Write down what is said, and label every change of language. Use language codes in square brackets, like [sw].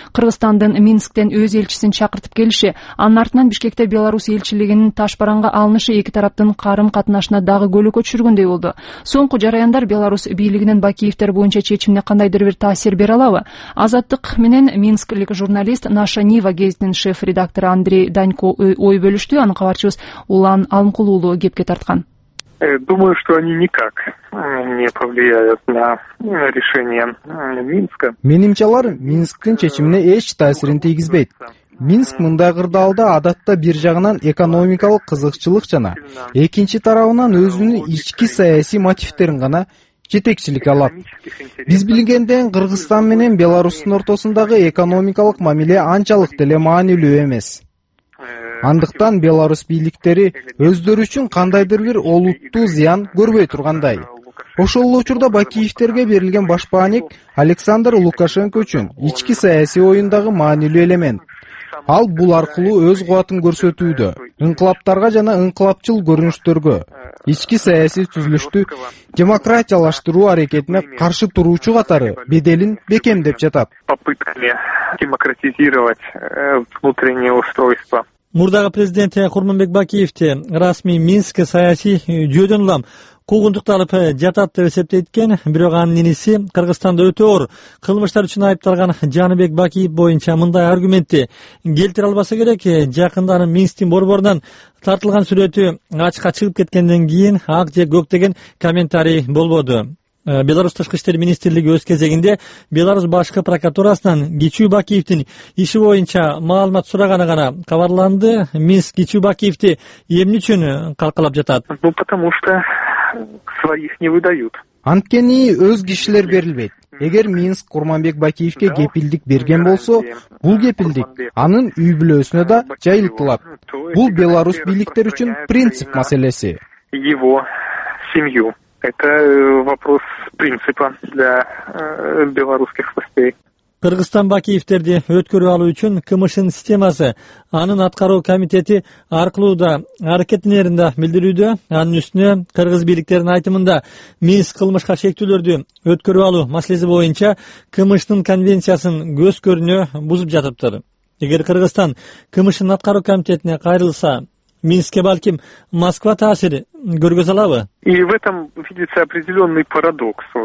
[ky] Кыргызстандын Минсктен өз элчисин чакыртып келиши, анын артынан Бишкекте Беларусь элчилигинин ташбаранга алынышы эки тараптын карым катнашына дагы көлөкө түшүргөндөй болду. Соңку жараяндар Беларусь бийлигинин Бакиевдер боюнча чечимине кандайдыр бир таасир бере алабы? Азаттык менен минсклик журналист Наша Нива гезитинин шеф редактору Андрей Данько ой бөлүштү. Анын кабарчыбыз Улан Алымкулуулу гепке тарткан. [ru] Думаю, что они никак не повлияют на решение Минска. [ky] Менимчалар Минсктин чечимине эч таасирин тийгизбейт. Минск мындай кырдаалда адатта бир жагынан экономикалык кызыкчылык жана экинчи тарабынан өзүнүн ички саясий мотивдерин гана жетекчилик алат. Биз билгенден Кыргызстан менен Беларусьтун ортосундагы экономикалык мамиле анчалык деле маанилүү эмес. Андыктан Беларусь бийликтери өздөрү үчүн кандайдыр бир олуттуу зыян көрбөй тургандай. Ошол эле учурда Бакиевдерге берилген башпааник Александр Лукашенко үчүн ички саясий оюндагы маанилүү элемент. Ал бул аркылуу өз кубатын көрсөтүүдө, инкылаптарга жана инкылапчыл көрүнүштөргө, ички саясий түзүлүштү демократиялаштыруу аракетине каршы туруучу катары беделин бекемдеп жатат. [ru] Попытками демократизировать внутреннее устройство. [ky] Мурдагы президент Курманбек Бакиевди расмий Минск саясий жүйөдөн улам куугунтукталып жатат деп эсептейт экен. Бирок анын иниси Кыргызстанда өтө оор кылмыштар үчүн айыпталган Жаныбек Бакиев боюнча мындай аргументти келтире албаса керек. Жакында анын Минсктин борборунан тартылган сүрөтү ачыкка чыгып кеткенден кийин ак же көк деген комментарий болбоду. Беларусь тышкы иштер министрлиги өз кезегинде Беларусь башкы прокуратурасынан кичүү Бакиевдин иши боюнча маалымат сураганы гана кабарланды. Минск кичүү Бакиевди эмне үчүн калкалап жатат? [ru] Ну потому что своих не выдают. [ky] Анткени өз кишилер берилбейт. Эгер Минск Курманбек Бакиевке кепилдик берген болсо, бул кепилдик анын үй бүлөсүнө да жайылтылат. Бул Беларусь бийликтери үчүн принцип маселеси. [ru] Его семью. Это вопрос принципа для белорусских властей. [ky] Кыргызстан Бакиевдерди өткөрүп алуу үчүн КМШнын системасы анын аткаруу комитети аркылуу да аракеттенерин да билдирүүдө. Анын үстүнө кыргыз бийликтеринин айтымында Минск кылмышка шектүүлөрдү өткөрүп алуу маселеси боюнча КМШнын конвенциясын көз көрүнө бузуп жатыптыр. Эгер Кыргызстан КМШнын аткаруу комитетине кайрылса, Минске, балким Москва таасири көргөзө алабы? [ru] И в этом видится определенный парадокс.